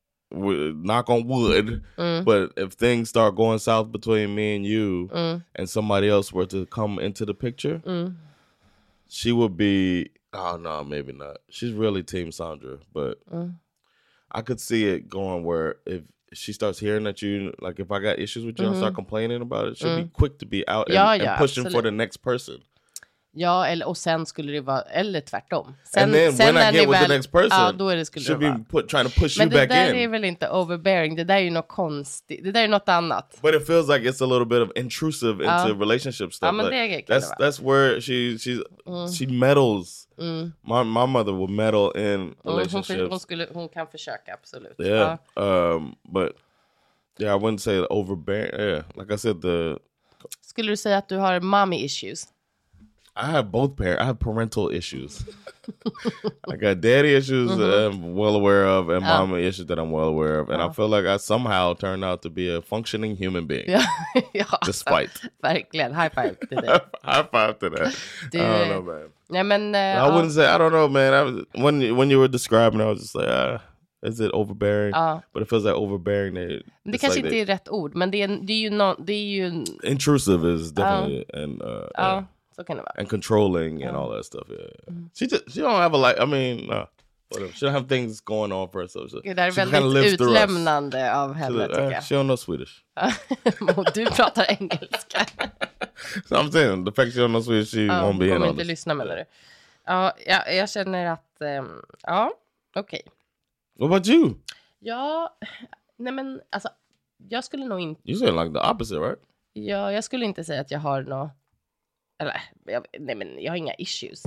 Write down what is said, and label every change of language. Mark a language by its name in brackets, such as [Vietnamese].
[English] Knock on wood, but if things start going south between me and you, and somebody else were to come into the picture, she would be. Oh no, maybe not. She's really Team Sandra, but I could see it going where if she starts hearing that you like, if I got issues with you, I start complaining about it. She'll be quick to be out and pushing absolutely. For the next person. [Swedish] Ja, eller och sen skulle det vara eller tvärtom. Sen när ni väl person, ja, då är det skulle det vara. [English] Trying to push you back [Swedish] in. Men det där är väl inte overbearing. Det där är ju något konstigt. Det där är något annat. [English] But it feels like it's a little bit of intrusive into relationship stuff. [Swedish] Ja, men [English] like, [Swedish] det är det. [English] That's where she meddles. Mm. My mother would meddle in relationships. [Swedish] Hon kan försöka absolut. [English] Yeah. Ja. But yeah, I wouldn't say overbearing. Yeah. Like I said, the [Swedish] skulle du säga att du har mommy issues? [English] I have both parents. I have parental issues. I got daddy issues that I'm well aware of and mama issues that I'm well aware of. And I feel like I somehow turned out to be a functioning human being. despite. [Swedish] Verkligen. [English] High five to that. High five to that. Dude. I don't know, man. Yeah, men, I wouldn't say, I don't know, man. When you were describing, I was just like, is it overbearing? But it feels like overbearing. [Swedish] Det kanske inte är rätt ord, men det är ju... [English] Intrusive is definitely [Swedish] Så kan det vara. [English] And controlling and all that stuff. Yeah. She don't have a like. I mean, Whatever. She don't have things going on for herself. [Swedish] Det där är väldigt utlämnande av henne, tycker jag. [English] She don't know Swedish. [Swedish] Du pratar engelska. [English] So I'm saying, the fact she don't know Swedish, she won't be in on [Swedish] this. Kom inte lyssna, menar du. Ja, jag känner att, ja, okej. [English] Okay. What about you? [Swedish] Ja, nej men, alltså, jag skulle nog inte... [English] You say like the opposite, right? [Swedish] Ja, jag skulle inte säga att jag har nå... Eller, nej men, jag har inga issues.